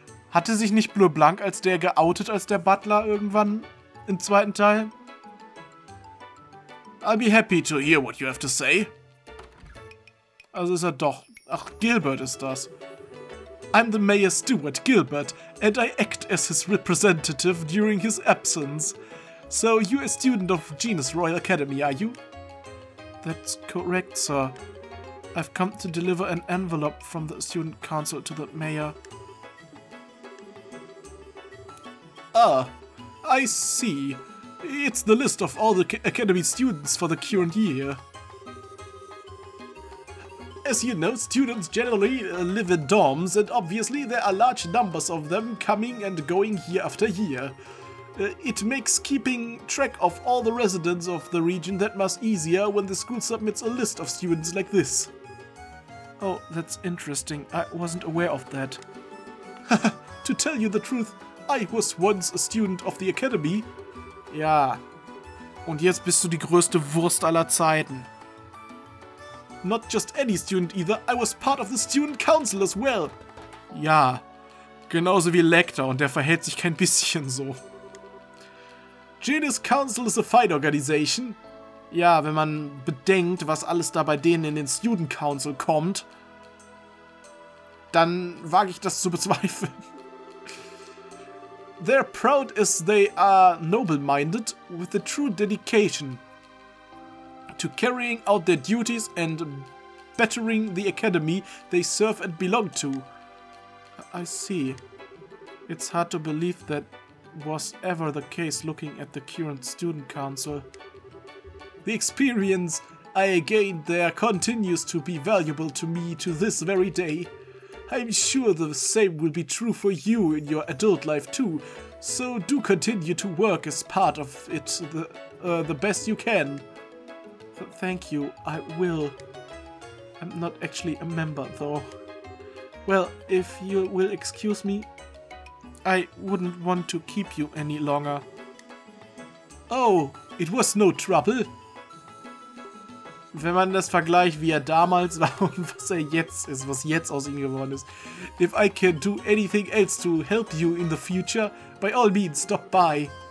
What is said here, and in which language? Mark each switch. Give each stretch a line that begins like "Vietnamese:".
German: Hatte sich nicht Bleu-Blanc als der geoutet, als der Butler irgendwann im zweiten Teil?
English: I'll be happy to hear what you have to say.
German: Also ist er doch. Ach, Gilbert ist das.
English: I'm the mayor's steward, Gilbert, and I act as his representative during his absence. So you're a student of Genus Royal Academy, are you? That's correct, sir. I've come to deliver an envelope from the student council to the mayor. Ah, I see. It's the list of all the academy students for the current year. As you know, students generally live in dorms, and obviously there are large numbers of them coming and going year after year. It makes keeping track of all the residents of the region that much easier when the school submits a list of students like this. Oh, that's interesting. I wasn't aware of that. To tell you the truth, I was once a student of the academy. Ja.
German: Und jetzt bist du die größte Wurst aller Zeiten.
English: Not just any student either. I was part of the student council as well. Ja.
German: Genauso wie Lecter, und der verhält sich kein bisschen so.
English: Genus Council is a fine organization.
German: Ja, wenn man bedenkt, was alles da bei denen in den Student Council kommt, dann wage ich das zu bezweifeln.
English: They're proud as they are noble-minded with a true dedication to carrying out their duties and bettering the academy they serve and belong to. I see. It's hard to believe that was ever the case looking at the current student council. The experience I gained there continues to be valuable to me to this very day. I'm sure the same will be true for you in your adult life too, so do continue to work as part of it the best you can. Thank you, I will. I'm not actually a member though. Well, if you will excuse me, I wouldn't want to keep you any longer. Oh, it was no trouble.
German: Wenn man das vergleicht, wie er damals war und was er jetzt ist, was jetzt aus ihm geworden ist.
English: If I can do anything else to help you in the future, by all means, stop by.